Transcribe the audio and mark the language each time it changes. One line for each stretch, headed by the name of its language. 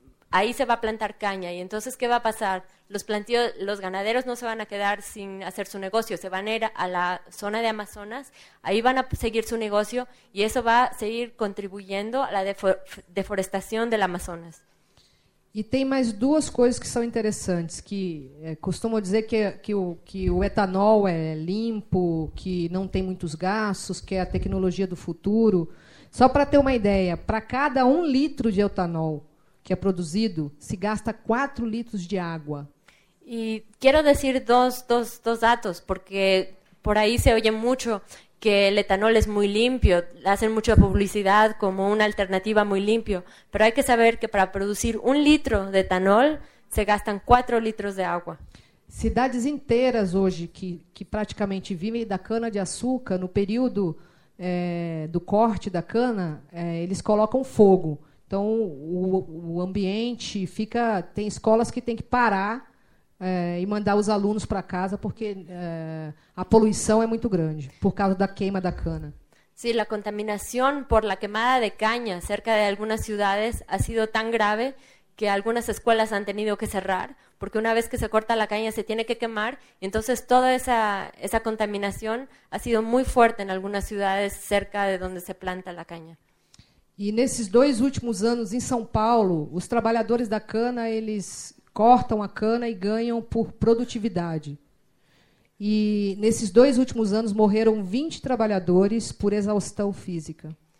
Spanish: Ahí se va a plantar caña y entonces ¿qué va a pasar? Los ganaderos no se van a quedar sin hacer su negocio, se van a ir a la zona de Amazonas, ahí van a seguir su negocio y eso va a seguir contribuyendo a la deforestación del Amazonas.
Portuguese: Y tem mais duas coisas que são interessantes, que costumo dizer que o etanol é limpo, que não tem muitos gastos, que é a tecnologia do futuro. Só para ter uma ideia, para cada 1 litro de etanol que é produzido, se gasta 4 litros de água. E quero dizer dois dados, porque por aí se ouve muito que o etanol é muito limpo, fazem muita publicidade como uma alternativa muito limpa, mas há que saber que para produzir 1 litro de etanol se gastam 4 litros de água. Cidades inteiras hoje que praticamente vivem da cana-de-açúcar, no período do corte da cana, eles colocam fogo. Então, o ambiente fica... Tem escolas que têm que parar e mandar os alunos para casa porque a poluição é muito grande por causa da queima da cana.
Spanish: Sim, sí,
Portuguese: a contaminação
Spanish: por la quemada de caña cerca de
Portuguese: algumas cidades
Spanish: ha sido
Portuguese: tão grave
Spanish: que algunas escuelas han tenido que cerrar, porque una vez que se corta la caña se tiene que quemar, y entonces toda esa contaminación ha sido muy fuerte en algunas ciudades cerca de donde se planta la caña.
Portuguese: E nesses dois últimos anos em São Paulo, os trabalhadores da cana, eles cortam a cana e ganham por produtividade. E nesses dois últimos anos morreram 20 trabalhadores por exaustão física.